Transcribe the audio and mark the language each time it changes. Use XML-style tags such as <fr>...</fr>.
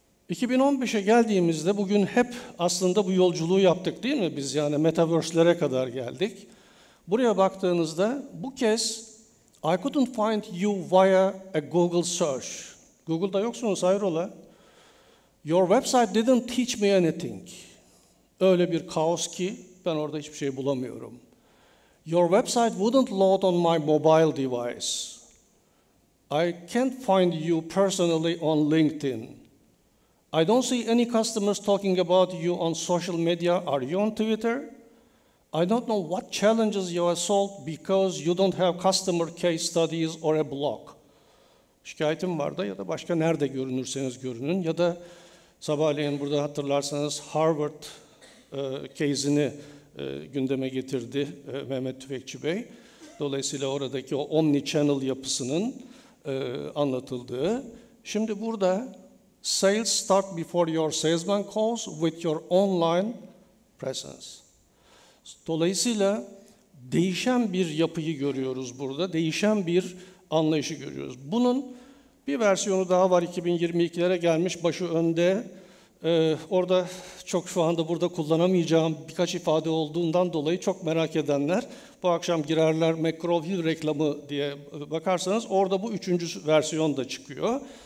<tr>2015'e geldiğimizde bugün hep aslında bu yolculuğu yaptık değil mi biz, yani Metaverse'lere kadar geldik. Buraya baktığınızda bu kez</tr> <en>I couldn't find you via a Google search.</en> <tr>Google'da yoksunuz, hayrola.</tr> <en>Your website didn't teach me anything.</en> <tr>Öyle bir kaos ki ben orada hiçbir şey bulamıyorum.</tr> <en>Your website wouldn't load on my mobile device. I can't find you personally on LinkedIn. I don't see any customers talking about you on social media. Are you on Twitter? I don't know what challenges you have solved because you don't have customer case studies or a blog.</en> <tr>Şikayetim var da ya da başka nerede görünürseniz görünün ya da sabahleyin burada hatırlarsanız Harvard case'ini gündeme getirdi Mehmet Tüfekçi Bey. Dolayısıyla oradaki o omni-channel yapısının anlatıldığı. Şimdi burada</tr> <en>sales start before your salesman calls with your online presence.</en> <tr>Dolayısıyla değişen bir yapıyı görüyoruz burada, değişen bir anlayışı görüyoruz. Bunun bir versiyonu daha var, 2022'lere gelmiş, başı önde. Orada çok şu anda burada kullanamayacağım birkaç ifade olduğundan dolayı çok merak edenler bu akşam girerler McGraw-Hill reklamı diye bakarsanız orada bu üçüncü versiyon da çıkıyor.</tr>